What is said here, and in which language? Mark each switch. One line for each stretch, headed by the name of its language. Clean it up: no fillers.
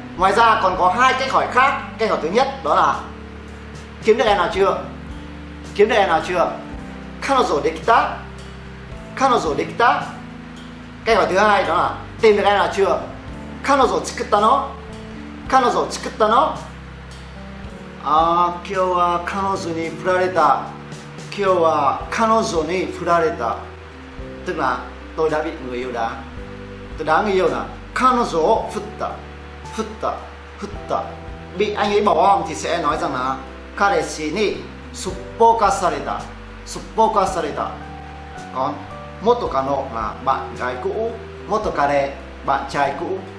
Vietnamese: Ngoài ra còn có hai cách hỏi khác. Cách hỏi thứ nhất đó là kiếm được em nào chưa? Kiếm được em nào chưa?
Japanese: 彼女できた?彼女できた?
Vietnamese: Cách hỏi thứ hai đó là tìm được em nào chưa?
Japanese: 彼女作ったの?彼女作ったの? À, 今日は彼女に振られた.今日は彼女に振られた.
Vietnamese: Tức là tôi đã bị người yêu đá. Tôi đá người yêu là
Japanese: 彼女を振った. 振った.振った.
Vietnamese: Bị anh ấy bỏ bom thì sẽ nói rằng là
Japanese: 彼氏にすっぽかされた。すっぽかされた。
Vietnamese: còn 元カノ là bạn gái cũ. 元カレ bạn trai cũ.